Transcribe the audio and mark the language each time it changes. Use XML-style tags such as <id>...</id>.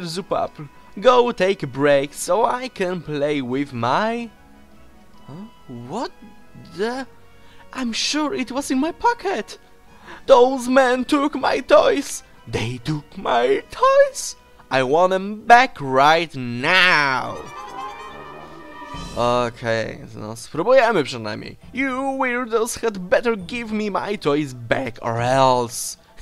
<en>Zupap, go take a break so I can play with my... What the... I'm sure it was in my pocket! Those men took my toys! They took my toys! I want him back right now.</en> <pl>Okej, okay, no spróbujemy przynajmniej.</pl> <en>You weirdos had better give me my toys back or else.</en>